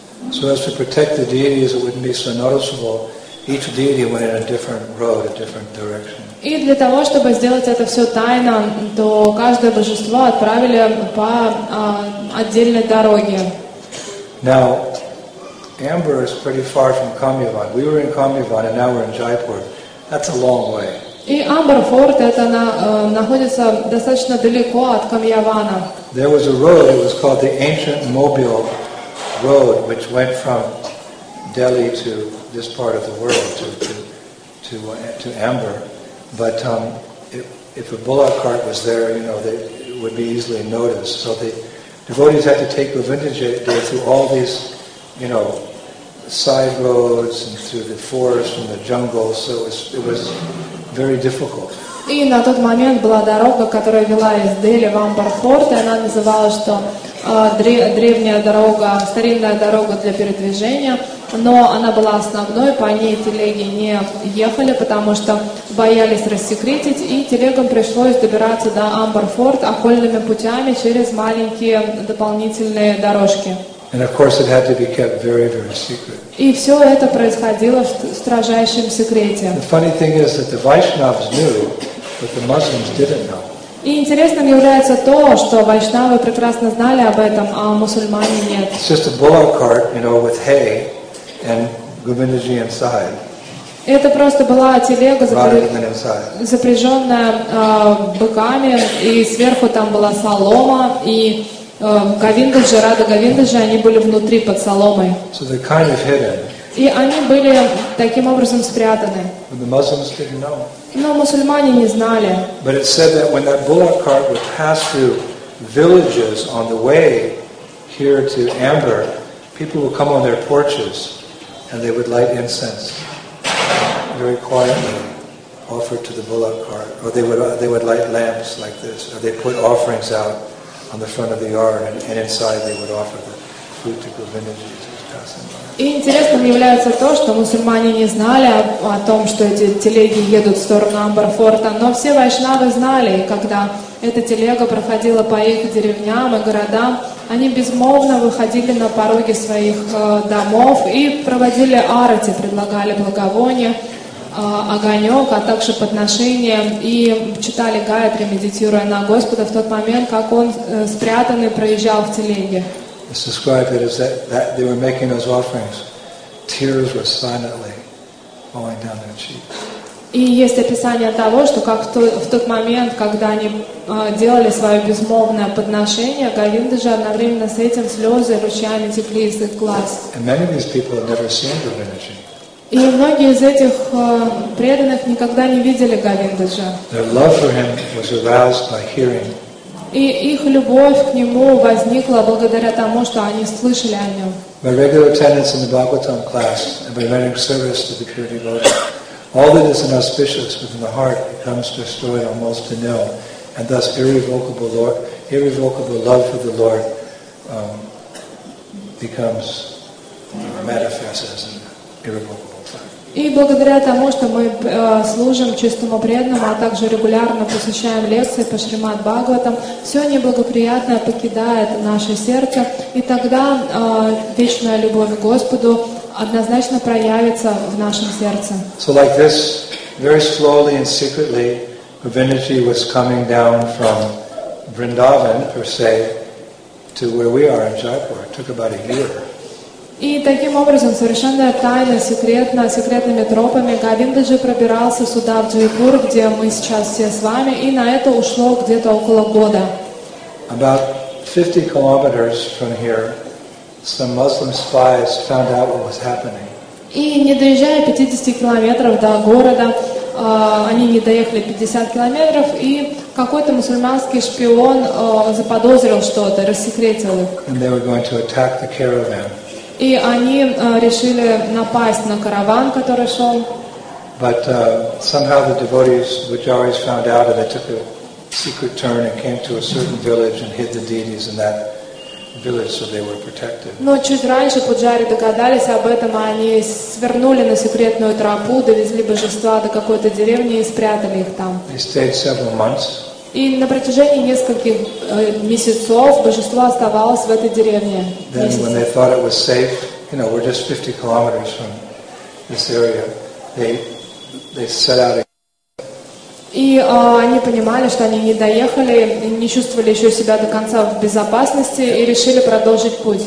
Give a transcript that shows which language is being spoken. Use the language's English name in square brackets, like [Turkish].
[English] So as to protect the deities, it wouldn't be so noticeable. Each deity went in a different road, a different direction. [Russian] И для того, чтобы сделать это все тайно, то каждое божество отправили по отдельной дороге. [English] Now, Amber is pretty far from Kamyavan. We were in Kamyavan and now we're in Jaipur. That's a long way. [Russian] И Amber Fort это находится достаточно далеко от Камьявана. [English] There was a road, it was called the Ancient Mobile Road, which went from Delhi to this part of the world, to Amber. But if a bullock cart was there, you know, it would be easily noticed. So the devotees had to take Govindadevi through all these, you know, side roads and through the forest and the jungle, so it was very difficult. [Russian] И на тот момент была дорога, которая вела из Дели в Амбарфорт, и она называлась что древняя дорога, старинная дорога для передвижения, но она была основной, по ней телеги не ехали, потому что боялись рассекретить, и телегам пришлось добираться до Амбарфорт окольными путями через маленькие дополнительные дорожки. [English] And of course it had to be kept very, very secret. [Russian] И все это происходило в строжайшем секрете. [English] The funny thing is that the Vaishnavas knew, but the Muslims didn't know. [Russian] И интересным является то, что вайшнавы прекрасно знали об этом, а мусульмане нет. [English] It's just a bullock cart, you know, with hay and Govindaji inside. [Russian] Это просто была телега, запряженная быками, и сверху там была солома, и Говиндаджи, Рада Говиндаджи, они были внутри под соломой. [English] So they're kind of hidden. [Russian] И они были таким образом спрятаны. [English] And the Muslims didn't know. [Russian] Но мусульмане не знали. [English] But it said that when that bullock cart would pass through villages on the way here to Amber, people would come on their porches and they would light incense. Very quietly offered to the bullock cart, or they would light lamps like this, or they put offerings out on the front of the yard, and inside they would offer the food to Govindaji as he was passing by. [Russian] И интересным является то, что мусульмане не знали о том, что эти телеги едут в сторону Амбарфорта, но все вайшнавы знали, когда эта телега проходила по их деревням и городам, они безмолвно выходили на пороги своих домов и проводили арати, предлагали благовония, огонек, а также подношения, и читали гаятри, медитируя на Господа в тот момент, как он спрятанный проезжал в телеге. [English] It's described it as that they were making those offerings. Tears were silently falling down their cheeks. [Russian] И есть описание того, что как в тот момент, когда они делали свое безмолвное подношение, Говинда же одновременно с этим слезы ручьями текли из их глаз. [English] And many of these people had never seen Govindaji. [Russian] И многие из этих преданных никогда не видели Говиндаджа. [English] Their love for him was aroused by hearing. [Russian] И их любовь к нему возникла благодаря тому, что они слышали о нем. [English] By regular attendance in the Bhagavatam class and by rendering service to the pure devotee, all that is inauspicious within the heart becomes destroyed almost to nil, and thus irrevocable love for the Lord becomes manifest as an irrevocable. [Russian] И благодаря тому, что мы служим чистому преданному, а также регулярно посещаем лекции по Шримад Бхагаватам, все неблагоприятное покидает наше сердце, и тогда вечная любовь к Господу однозначно проявится в нашем сердце. [English] So like this, very slowly and secretly, Govindaji was coming down from Vrindavan, per se, to where we are in Jaipur. It took about a year. [Russian] И таким образом, совершенно тайно, секретно, секретными тропами, Говиндаджи пробирался сюда, в Джайпур, где мы сейчас все с вами, и на это ушло где-то около года. [English] About 50 kilometers from here, some Muslim spies found out what was happening. [Russian] И не доезжая 50 километров до города, они не доехали 50 километров, и какой-то мусульманский шпион заподозрил что-то, рассекретил их. [English] And they were going to attack the caravan. [Russian] И они решили напасть на караван, который шел. [English] But somehow the devotees, the Vajaris, found out, and they took a secret turn and came to a certain village and hid the deities in that village, so they were protected. [Russian] Но чуть раньше пуджари догадались об этом, они свернули на секретную тропу, довезли божества до какой-то деревни и спрятали их там. [English] They stayed several months. [Russian] И на протяжении нескольких месяцев божество оставалось в этой деревне. [English] Then when they thought it was safe, you know, we're just 50 kilometers from this area, they set out again. [Russian] И они понимали, что они не доехали, не чувствовали еще себя до конца в безопасности и решили продолжить путь.